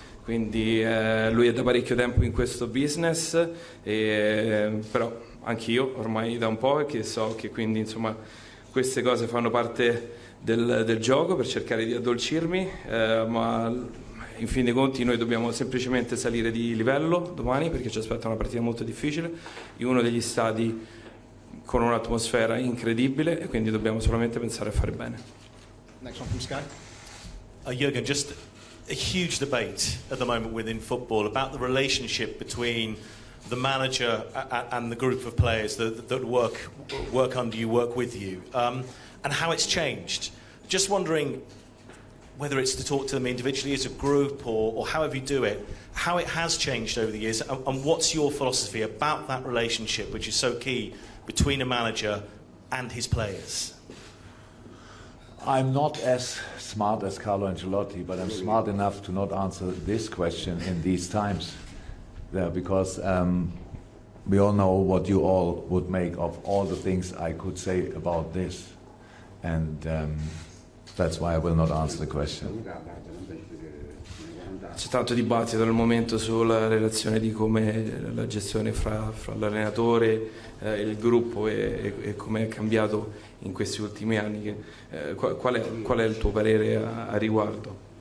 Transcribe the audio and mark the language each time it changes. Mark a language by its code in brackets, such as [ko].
[it] Quindi lui è da parecchio tempo in questo business, però anch'io ormai da un po', che so che quindi insomma queste cose fanno parte del gioco per cercare di addolcirmi, ma in fin dei conti noi dobbiamo semplicemente salire di livello domani, perché ci aspetta una partita molto difficile in uno degli stadi con un'atmosfera incredibile, e quindi dobbiamo solamente pensare a fare bene. [en] Next one from Sky. Jürgen, just a huge debate at the moment within football about the relationship between the manager and the group of players that work under you, work with you, and how it's changed. Just wondering whether it's to talk to them individually as a group or however you do it, how it has changed over the years, and what's your philosophy about that relationship, which is so key, between a manager and his players? I'm not as smart as Carlo Ancelotti, but I'm smart enough to not answer this question in these times, because we all know what you all would make of all the things I could say about this, and that's why I will not answer the question. [it] C'è tanto dibattito al momento sulla relazione di come la gestione fra l'allenatore, il gruppo e come è cambiato in questi ultimi anni. Qual è il tuo parere a riguardo?